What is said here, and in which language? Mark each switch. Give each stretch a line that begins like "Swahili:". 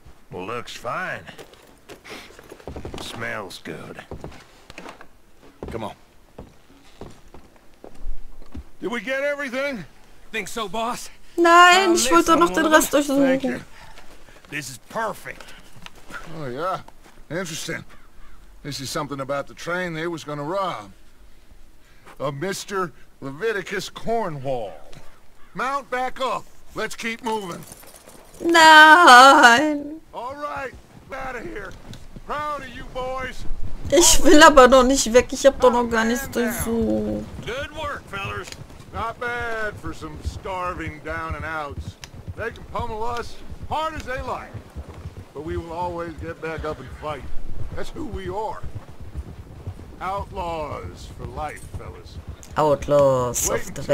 English: Well, looks fine. Smells good. Come on. Did we get everything? Think so, boss?
German: Nein, ich wollte noch den Rest durchsuchen.
English: This is perfect. Oh yeah. Interesting. This is something about the train they was gonna rob. A Mr. Leviticus Cornwall. Mount back up. Let's keep moving.
German: Nein.
English: All right. Out of here. Proud of you boys.
German: Ich will aber noch nicht weg. Ich hab doch noch gar nichts durchsucht.
English: Good work, fellas. Not bad for some starving down and outs. They can pummel us hard as they like. But we will always get back up and fight. That's who we are. Outlaws for life, fellas. Outlaws of the West.